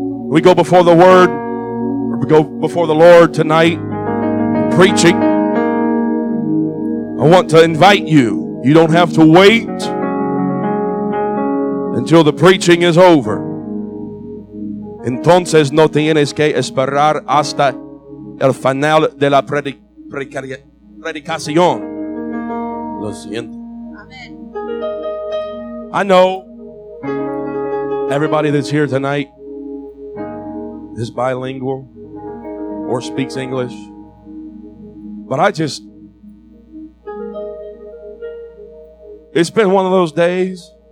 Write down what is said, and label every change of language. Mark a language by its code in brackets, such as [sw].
[en] We go before the word, we go before the Lord tonight, preaching. I want to invite you. You don't have to wait until the preaching is over. [es] Entonces no tienes que esperar hasta el final de la predicación. Lo siento. [en] Amen. I know everybody that's here tonight is bilingual or speaks English, but it's been one of those days.